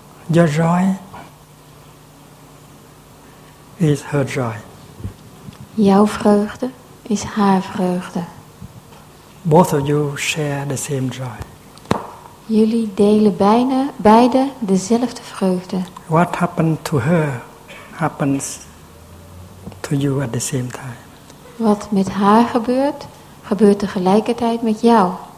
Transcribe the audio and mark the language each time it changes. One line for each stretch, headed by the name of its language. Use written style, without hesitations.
English: Your joy is her joy.
Dutch: Jouw vreugde is haar vreugde.
English: Both of you share the same joy.
Dutch: Jullie delen bijna beide dezelfde vreugde.
English: What happened to her happens to you at the same time.
Dutch: Wat met haar gebeurt, gebeurt tegelijkertijd met jou.